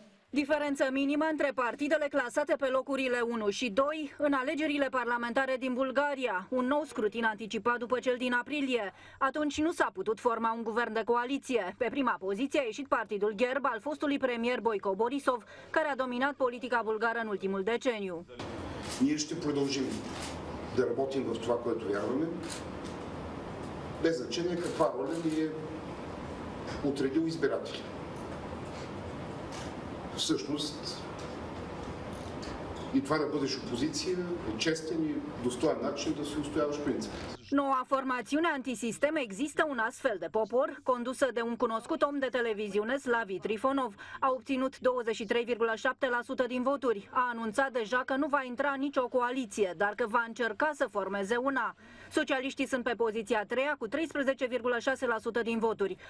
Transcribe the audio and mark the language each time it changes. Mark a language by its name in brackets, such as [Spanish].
[Romanian] Diferență minimă între partidele clasate pe locurile 1 și 2 în alegerile parlamentare din Bulgaria. Un nou scrutin anticipat după cel din aprilie. Atunci nu s-a putut forma un guvern de coaliție. Pe prima poziție a ieșit partidul GERB al fostului premier Boyko Borisov, care a dominat politica bulgară în ultimul deceniu. [Bulgarian] Ние ще продължим да работим в това, което вярваме, без значение каква роля ни е отредил избирателя. Всъщност и това да бъдеш опозиция, честен и достоен начин да се устояваш принципите. [Romanian] Noua formațiune antisistem există un astfel de popor, condusă de un cunoscut om de televiziune, Slavi Trifonov, a obținut 23,7% din voturi. A anunțat deja că nu va intra nicio coaliție, dar că va încerca să formeze una. Socialiștii sunt pe poziția a treia cu 13,6% din voturi.